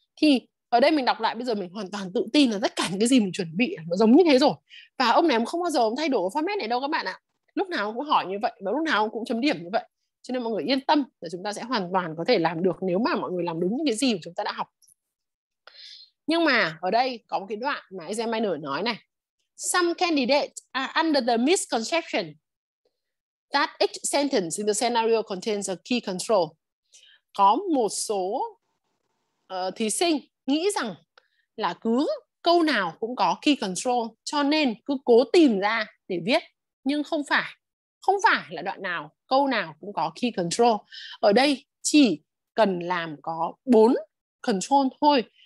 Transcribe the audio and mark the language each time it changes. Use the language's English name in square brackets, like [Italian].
[Vietnamese] Thì ở đây mình đọc lại, bây giờ mình hoàn toàn tự tin là tất cả những cái gì mình chuẩn bị nó giống như thế rồi. Và ông này cũng không bao giờ ông thay đổi format này đâu các bạn ạ. Lúc nào cũng hỏi như vậy và lúc nào cũng chấm điểm như vậy. Cho nên mọi người yên tâm là chúng ta sẽ hoàn toàn có thể làm được nếu mà mọi người làm đúng những cái gì mà chúng ta đã học. Nhưng mà ở đây có một cái đoạn mà examiner nói này. [English] Some candidates are under the misconception that each sentence in the scenario contains a key control. [Vietnamese] Có một số thí sinh nghĩ rằng là cứ câu nào cũng có key control, cho nên cứ cố tìm ra để viết, nhưng không phải. Không phải là đoạn nào, câu nào cũng có key control. Ở đây chỉ cần làm có 4 control thôi.